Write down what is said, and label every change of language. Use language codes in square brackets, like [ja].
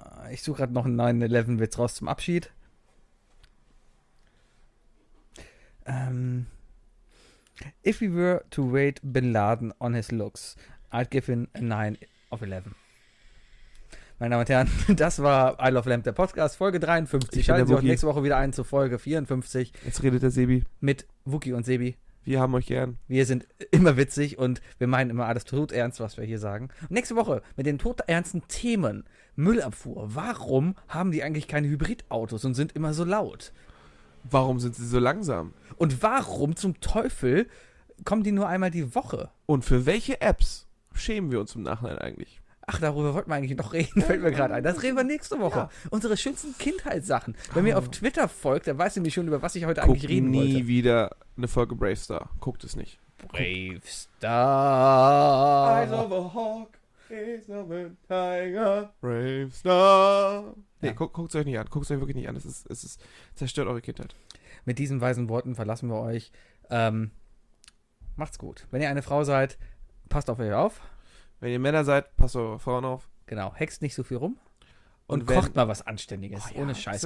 [de] Ich suche gerade noch einen 9-11-Witz raus zum Abschied. [en] If we were to wait Bin Laden on his looks, I'd give him a 9-11. [de] Meine Damen und Herren, das war I Love Lamp, der Podcast, Folge 53. Schalten Sie auch nächste Woche wieder ein zu Folge 54. Jetzt redet der Sebi. Mit Wookie und Sebi. Wir haben euch gern. Wir sind immer witzig und wir meinen immer alles tot ernst, was wir hier sagen. Und nächste Woche mit den tot ernsten Themen. Müllabfuhr. Warum haben die eigentlich keine Hybridautos und sind immer so laut? Warum sind sie so langsam? Und warum zum Teufel kommen die nur einmal die Woche? Und für welche Apps schämen wir uns im Nachhinein eigentlich? Ach, darüber wollten wir eigentlich noch reden, fällt mir gerade ein. Das reden wir nächste Woche. Ja. Unsere schönsten Kindheitssachen. Wenn mir auf Twitter folgt, dann weiß ich nämlich schon, über was ich heute eigentlich reden wollte. Guckt nie wieder eine Folge Bravestar. Guckt es nicht. Bravestar. [en] Eyes of a hawk, eyes of a tiger. [de] Bravestar. Nee, ja. Guckt es euch nicht an. Guckt es euch wirklich nicht an. Es ist zerstört eure Kindheit. Mit diesen weisen Worten verlassen wir euch. Macht's gut. Wenn ihr eine Frau seid, passt auf euch auf. Wenn ihr Männer seid, passt eure Frauen auf. Genau, hext nicht so viel rum. Und kocht mal was Anständiges. Oh ja, ohne Scheiß.